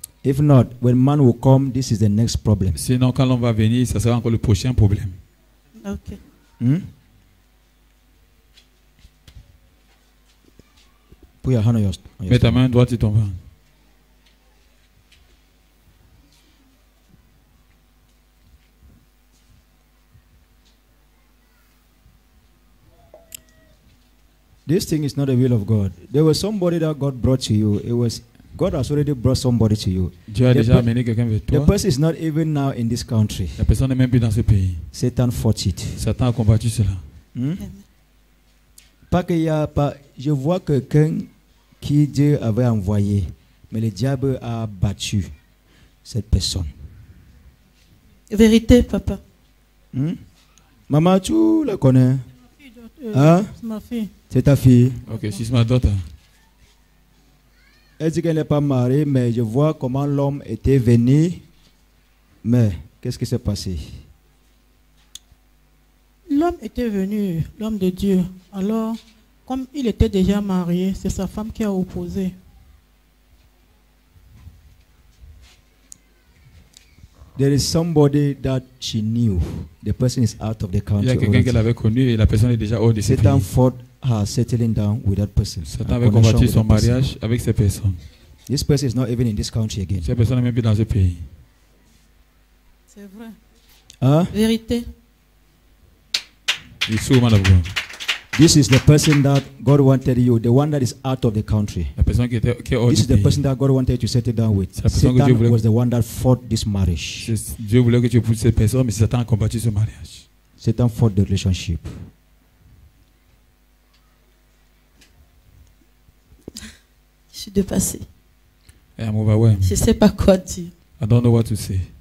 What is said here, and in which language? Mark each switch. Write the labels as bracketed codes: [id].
[en] If not, when man will come, this is the next problem. [fr] Sinon, quand l'homme va venir, ça sera encore le prochain problème. [en] Ok. Put your hand on your [fr] mets ta main droite sur ton ventre. [en] This thing is not the will of God. There was somebody that God brought to you. It was God has already brought somebody to you. [fr] Dieu a déjà amené quelqu'un vers toi. [en] The person is not even now in this country. [fr] La personne n'est même plus dans ce pays. [en] Satan fought it. [fr] Satan a combattu cela. Pas qu'il y a pas. Je vois quelqu'un qui Dieu avait envoyé, mais le diable a battu cette personne. Vérité, papa. Maman, tu la connais? C'est ma fille. Hein? C'est ma fille. C'est ta fille. Ok, c'est ma daughter. Elle dit qu'elle n'est pas mariée, mais je vois comment l'homme était venu. Mais qu'est-ce qui s'est passé? L'homme était venu, l'homme de Dieu. Alors, comme il était déjà marié, c'est sa femme qui a opposé. [en] There is somebody that she knew. The person is out of the country. [fr] Il y a quelqu'un qu'elle avait connu et la personne est déjà hors de ce pays. [en] Satan fought her settling down with that person. [fr] Satan avait combattu son mariage avec cette personne. [en] This person is not even in this country again. [fr] Cette personne n'est même plus dans ce pays. C'est vrai. Hein? Vérité. Il souffre, madame. [en] This is the person that God wanted you, the one that is out of the country. [fr] La personne qui était, qui est hors [en] this is the person that God wanted you to settle down with. Satan was the one that fought this marriage. [fr] Dieu voulait que tu épouses cette personne, mais Satan a combattu ce mariage. [en] Satan fought the relationship. [fr] Je suis dépassée. [en] I'm overwhelmed. [fr] Je ne sais pas quoi dire. [en] I don't know what to say.